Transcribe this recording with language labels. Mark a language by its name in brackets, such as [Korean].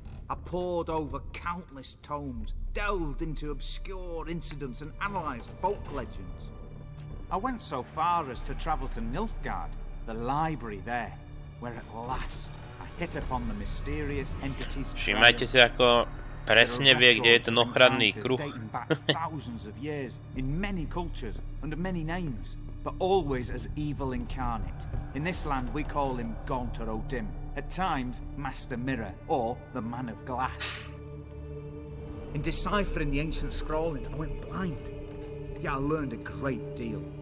[English] I pored over countless tomes, delved into obscure incidents and analysed folk legends. I went so far as to travel to Nilfgaard, the library there, where at last I hit upon the mysterious entities. [Slovak] Všimajte si, ako presne vie, kde je ten ochranný kruh. [English] Thousands of years, in many cultures, under many names, but always as evil incarnate. In this land we call him Gaunt or Odin, at times Master Mirror or the Man of Glass. In deciphering the ancient scrawlings, I went blind. Yeah, I learned a great deal.